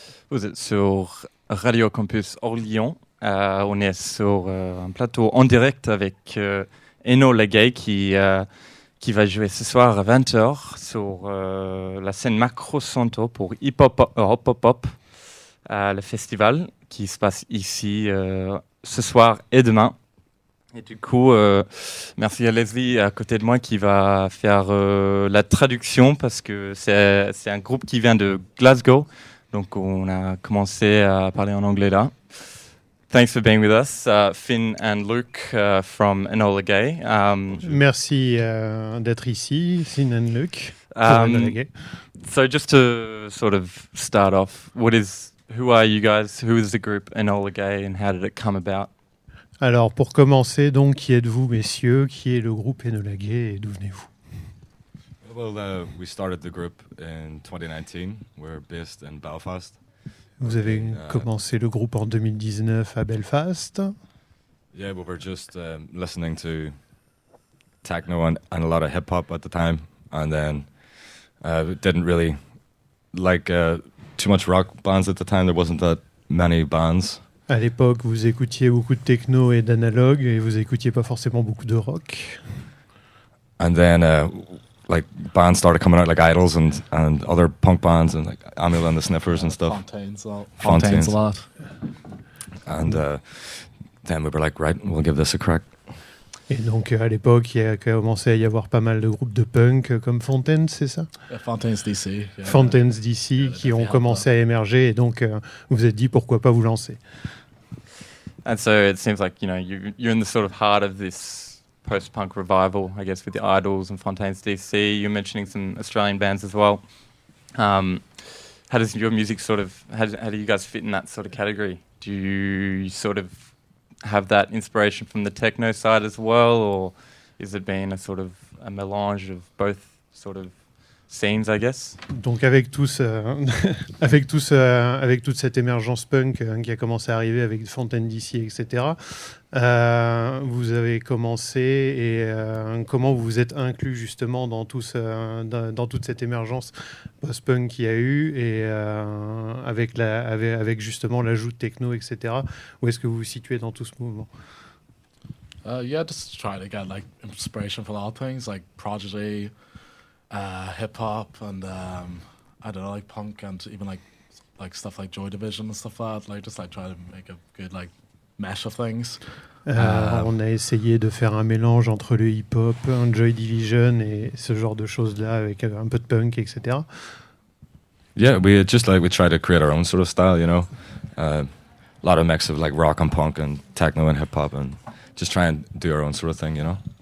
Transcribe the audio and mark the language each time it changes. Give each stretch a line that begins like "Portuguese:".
French: Vous êtes sur Radio Campus Orléans, on est sur un plateau en direct avec Eno Legay qui va jouer ce soir à 20h sur la scène Macro Santo pour Hip Hop Hop Hop Hop, le festival qui se passe ici ce soir et demain. Et du coup, merci à Leslie à côté de moi qui va faire la traduction parce que c'est un groupe qui vient de Glasgow. Donc on a commencé à parler en anglais là.
English: Thanks for being with us, Finn and Luke from Enola Gay.
French: Merci d'être ici, Finn and Luke.
English: So just to sort of start off, who are you guys? Who is the group Enola Gay and how did it come about?
French: Alors pour commencer, donc qui êtes-vous, messieurs? Qui est le groupe Enola Gay et d'où venez-vous?
English: Well, we started the group in 2019. We're based in Belfast.
French: Vous avez commencé le groupe en 2019 à Belfast.
English: Yeah, we were just listening to techno and a lot of hip hop at the time, and then didn't really like too much rock bands at the time. There wasn't that many bands.
French: À l'époque, vous écoutiez beaucoup de techno et d'analogue, et vous écoutiez pas forcément beaucoup de rock.
English: And then. Like bands started coming out, like Idols and other punk bands, and like Amel and the Sniffers and stuff. Fontaines a lot. And then we were like, right, we'll give this a crack.
French: Et donc à l'époque, il a commencé à y avoir pas mal de groupes de punk comme Fontaines, c'est ça?
English: Fontaines DC. Yeah.
French: Fontaines DC yeah, qui ont commencé à émerger, et donc vous êtes dit pourquoi pas vous lancer.
English: And so it seems like you know you're in the sort of heart of this. Post-punk revival, I guess, with the Idols and Fontaines DC. You're mentioning some Australian bands as well. How does your music sort of, how do you guys fit in that sort of category? Do you sort of have that inspiration from the techno side as well, or is it being a sort of a mélange of both sort of scenes, I guess?
French: Donc avec tout ce, avec toute cette émergence punk qui a commencé à arriver avec Fontaines DC, etc. Vous avez commencé et comment vous vous êtes inclus justement dans tout ce, dans toute cette émergence post-punk qu'il y a eu et avec justement l'ajout de techno, etc. Où est-ce que vous vous situez dans tout ce mouvement?
English: Yeah, just trying to get like inspiration for all things like Prodigy. Hip hop and I don't know, like punk and even like stuff like Joy Division and stuff like that. Like just like try to make a good like mesh of things.
French: On a essayé de faire un mélange entre le hip hop, Joy Division et ce genre de choses là avec un peu de punk, etc.
English: Yeah, we just like we try to create our own sort of style, you know, a lot of mix of like rock and punk and techno and hip hop and just try and do our own sort of thing, you know.